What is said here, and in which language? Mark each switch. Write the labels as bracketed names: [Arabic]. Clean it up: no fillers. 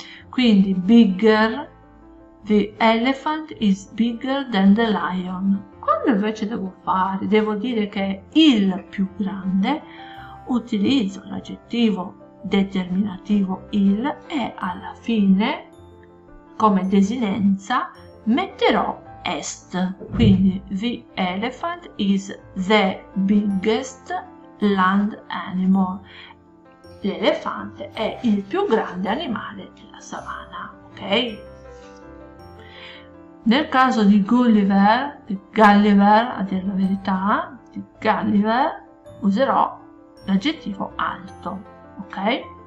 [English] Quindi bigger, the elephant is bigger than the lion. [Italian] Quando invece devo fare, devo dire che è il più grande, utilizzo l'aggettivo determinativo il e alla fine, come desinenza, metterò est. [English] Quindi the elephant is the biggest land animal. [Italian] L'elefante è il più grande animale della savana, ok? Nel caso di Gulliver, di Gulliver, a dire la verità, di Gulliver, userò l'aggettivo alto, ok?